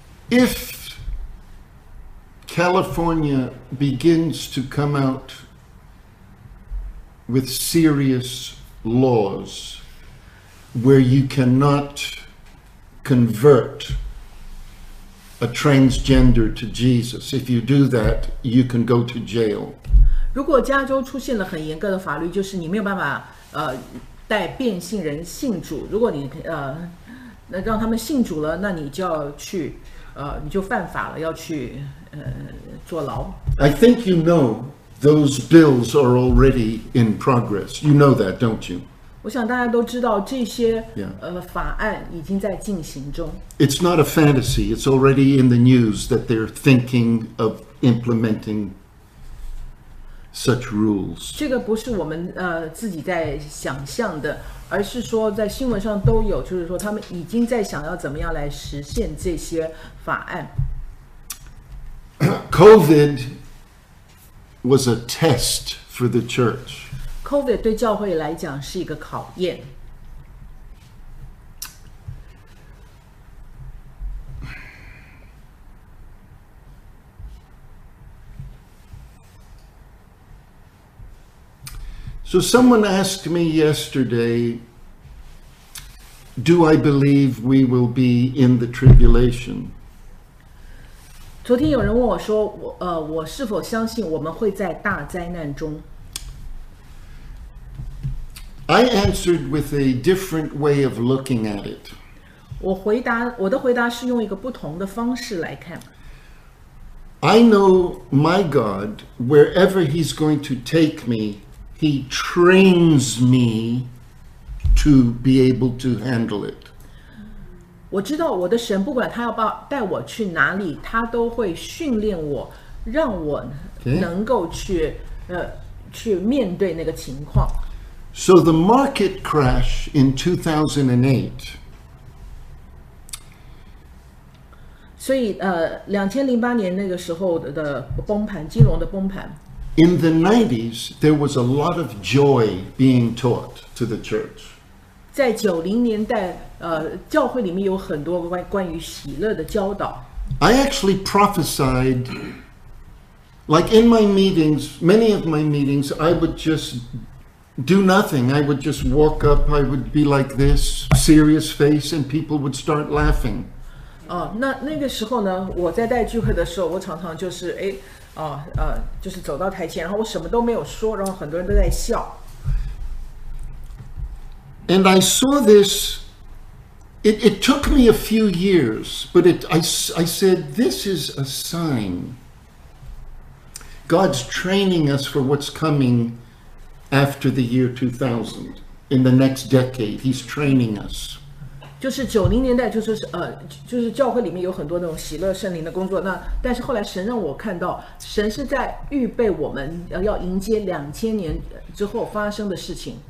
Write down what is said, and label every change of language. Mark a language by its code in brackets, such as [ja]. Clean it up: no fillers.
[en] If California begins to come out with serious laws where you cannot convert a transgender to Jesus, if you do that, you can go to jail. [zh] 如果加州出现了很严格的法律，就是你没有办法带变性人信主。如果你那让他们信主了，那你就要去你就犯法了，要去坐牢。 [en] I think you know those bills are already in progress. You know that, don't you? [zh] 我想大家都知道这些、 yeah. 法案已经在进行中。 [en] It's not a fantasy. It's already in the news that they're thinking of implementing. such rules. [zh] 这个不是我们自己在想象的，而是说在新闻上都有，就是说他们已经在想要怎么样来实现这些法案。 [en] COVID was a test for the church. [zh] COVID 对教会来讲是一个考验。 [en] So someone asked me yesterday, do I believe we will be in the tribulation? [zh] 昨天有人问我说，我是否相信我们会在大灾难中？ [en] I answered with a different way of looking at it. [zh] 我的回答是用一个不同的方式来看。 [en] I know my God, wherever he's going to take me,He trains me to be able to handle it. [zh] 我知道我的神不管他要带我去哪里，他都会训练我，让我能够去面对那个情况。 [en] So the market crash in 2008. [zh] 所以2008年那个时候的崩盘，金融的崩盘。 [en] In the 90s, there was a lot of joy being taught to the church. [zh] 在90年代，教会里面有很多关于喜乐的教导。 [en] I actually prophesied, like in my meetings, many of my meetings, I would just do nothing. I would just walk up, I would be like this, serious face, and people would start laughing. [zh] 那个时候呢，我在带聚会的时候，我常常就是就是走到台前，然后我什么都没有说，然后很多人都在笑。 [en] And I saw this. It took me a few years, but I said this is a sign. God's training us for what's coming after the year 2000. In the next decade, He's training us. [zh] 就是九零年代，就是教会里面有很多那种喜乐圣灵的工作。那但是后来神让我看到，神是在预备我们要迎接两千年之后发生的事情。